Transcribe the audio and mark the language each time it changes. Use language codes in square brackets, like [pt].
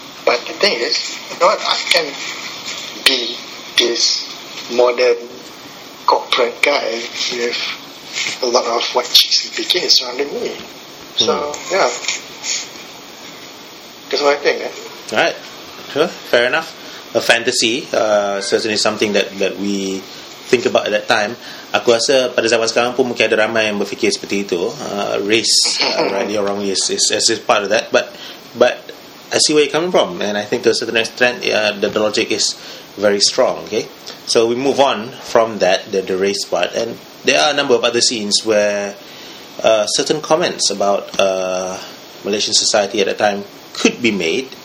[en] But the thing is, you know what, I can be this modern corporate guy with a lot of white chicks and bikinis surrounding me. So yeah, that's what I think, eh? Alright, sure, fair enough. A fantasy, certainly something that we think about at that time. [ms] Aku rasa pada zaman sekarang pun mungkin ada ramai yang berfikir seperti itu. [en] Race, right, you're wrong, is part of that. But I see where you're coming from, and I think to a certain extent, the logic is very strong. Okay, so we move on from that, the race part, and there are a number of other scenes where certain comments about Malaysian society at that time could be made.